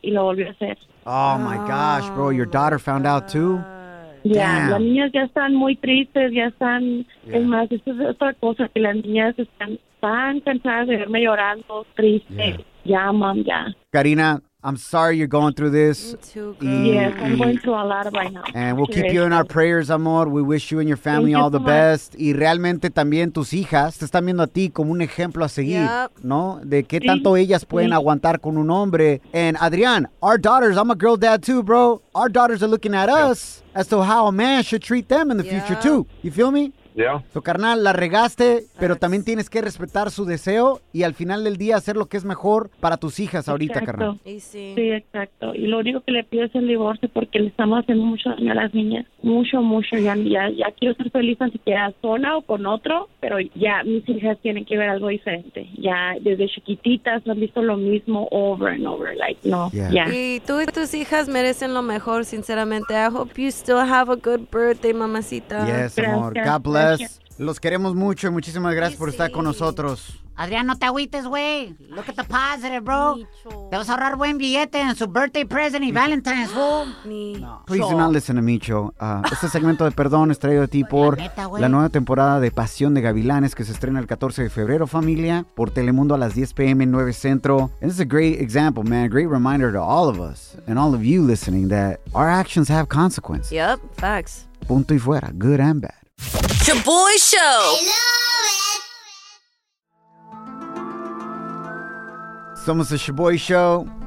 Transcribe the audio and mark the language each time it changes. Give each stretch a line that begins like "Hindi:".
Spanish: Y lo volvió a hacer.
English: Oh, my gosh, bro. Your daughter found out, too.
Spanish: Yeah, las niñas ya están muy tristes, ya están, es más, esto es otra cosa, que las niñas están tan cansadas de verme llorando, tristes, ya, mom, ya.
English: Karina, I'm sorry you're going through this. Me too, girl. Yes, I'm going through a lot right now. And we'll keep you in our prayers, amor. We wish you and your family all the best.
Spanish: Y realmente también tus hijas te están viendo a ti como un ejemplo a seguir, ¿no? De qué tanto ellas pueden aguantar con un hombre.
English: And Adrián, our daughters, I'm a girl dad too, bro. Our daughters are looking at us as to how a man should treat them in the future too. You feel me? Yeah.
Spanish: So, carnal, la regaste, pero también tienes que respetar su deseo y al final del día hacer lo que es mejor para tus hijas ahorita, exacto. Carnal. Y sí. Sí, exacto. Y lo único que le pido es el divorcio porque le estamos haciendo mucho daño a las niñas. Mucho, mucho. Ya quiero ser feliz, ni siquiera sola o con otro, pero ya mis hijas tienen que ver algo diferente. Ya desde chiquititas han visto lo mismo
English: over and over. Like, no,
Spanish: ya. Yeah. Y tú y tus hijas merecen lo mejor, sinceramente.
English: I hope you still have a good birthday, mamacita. Yes, amor. God bless.
Spanish: Los queremos mucho y muchísimas gracias por estar con nosotros. Adrián, no te agüites, güey.
English: Look at the positive, bro.
Spanish: Te vas a ahorrar buen billete en su
English: birthday present
Spanish: y Valentine's, fool.
English: No. Please do not listen to Micho.
Spanish: Este segmento de perdón es traído a ti por la nueva temporada de Pasión de Gavilanes que se estrena el 14 de febrero, familia, por Telemundo a las 10 p.m. en 9 Centro.
English: And this is a great example, man. A great reminder to all of us and all of you listening that our actions have consequences. Yep, facts.
Spanish: Punto y fuera,
English: good and bad. The Boy Show. I love it.
Spanish: Somos
English: the Boy Show.